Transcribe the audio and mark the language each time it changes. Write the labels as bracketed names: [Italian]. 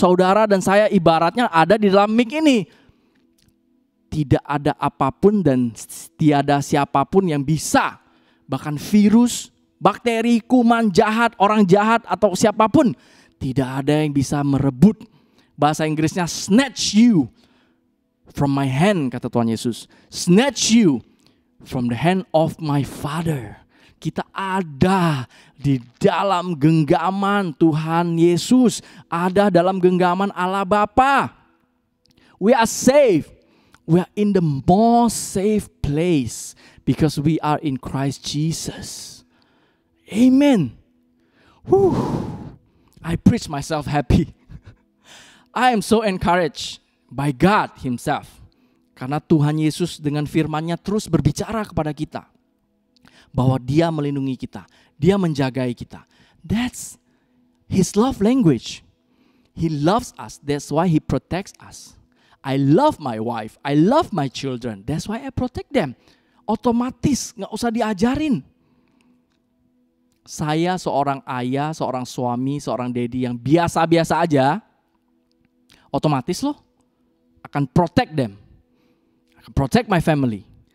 [Indonesian] Saudara dan saya ibaratnya ada di dalam mic ini. Tidak ada apapun dan tiada siapapun yang bisa. Bahkan virus, bakteri, kuman, jahat, orang jahat atau siapapun. Tidak ada yang bisa merebut. Bahasa Inggrisnya [English] snatch you from my hand, [Indonesian] kata Tuhan Yesus. [English] Snatch you from the hand of my Father. [Indonesian] Kita ada di dalam genggaman Tuhan Yesus. Ada dalam genggaman Allah Bapa. [English] We are safe. We are in the most safe place. Because we are in Christ Jesus. Amen. Whew. I preach myself happy. I am so encouraged by God himself. [Indonesian] Karena Tuhan Yesus dengan firman-Nya terus berbicara kepada kita. Bahwa dia melindungi kita. Dia menjagai kita. [English] That's his love language. He loves us. That's why he protects us. I love my wife, I love my children, that's why I protect them. [Indonesian] Otomatis, gak usah diajarin. Saya seorang ayah, seorang suami, seorang daddy yang biasa-biasa aja, otomatis loh, akan [English] protect them. Protect my family.